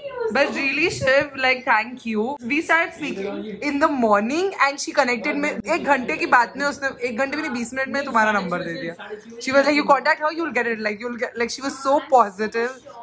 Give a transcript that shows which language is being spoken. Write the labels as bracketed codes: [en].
[en] But really, Shiv, like, thank you. We started speaking in the morning and she connected me. [hi] एक घंटे की बात में उसने एक घंटे में 20 मिनट में तुम्हारा नंबर दे दिया. [en] She was like, you contact her, you'll get it. Like, you'll get, like, she was so positive.